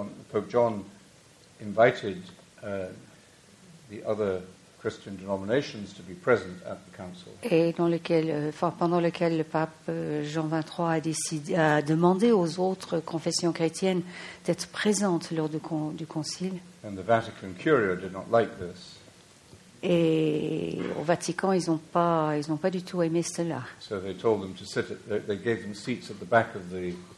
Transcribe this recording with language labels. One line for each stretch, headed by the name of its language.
English: Pope John invited the other Christian denominations to be present at the council.
French: Et dans lequel, pendant lequel le pape Jean XXIII a demandé aux autres confessions chrétiennes d'être présentes lors du concile.
English: And the Vatican Curia did not like this.
French: Et au Vatican, ils n'ont pas du tout aimé cela.
English: So they told them to sit. They gave them seats at the back of the.